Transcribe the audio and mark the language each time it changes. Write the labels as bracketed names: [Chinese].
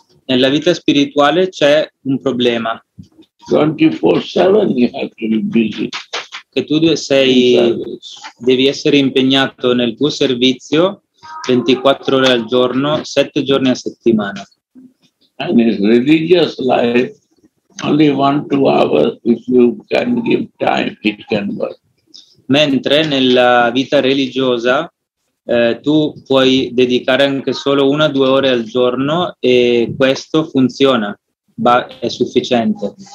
[Italian] nella vita spirituale c'è un problema. [English] 24/7 you have to be busy. [Italian] Che tu sei, devi essere impegnato nel tuo servizio 24 ore al giorno, 7 giorni a settimana. [English] And in religious life, only 1-2 hours, if you can give time, it can work. [Italian] Mentre nella vita religiosa, tu puoi dedicare anche solo 1-2 ore al giorno e questo funziona, è sufficiente.